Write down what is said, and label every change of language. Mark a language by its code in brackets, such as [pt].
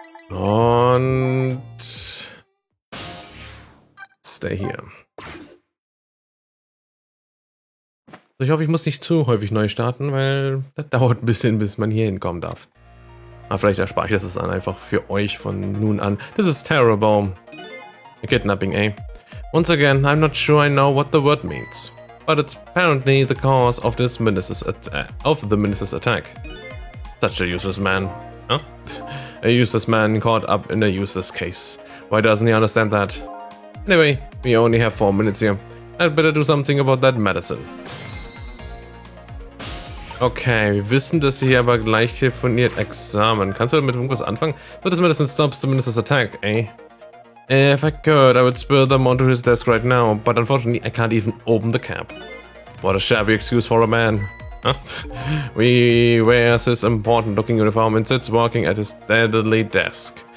[en] Und stay here. [de] So, ich hoffe, ich muss nicht zu häufig neu starten, weil das dauert ein bisschen, bis man hier hinkommen darf. Aber vielleicht erspare ich das dann einfach für euch von nun an. [en] This is terrible. A kidnapping, eh? Once again, I'm not sure I know what the word means. But it's apparently the cause of this minister's attack. Such a useless man. Huh? A useless man caught up in a useless case. Why doesn't he understand that? Anyway, we only have 4 minutes here. I'd better do something about that medicine. [de] Okay, wir wissen, dass sie hier aber gleich telefoniert. Examen. Kannst du damit irgendwas anfangen? [en] So this medicine stops the minister's attack, eh? If I could, I would spill them onto his desk right now, but unfortunately, I can't even open the cap. What a shabby excuse for a man. Huh? He wears his important-looking uniform and sits walking at his deadly desk.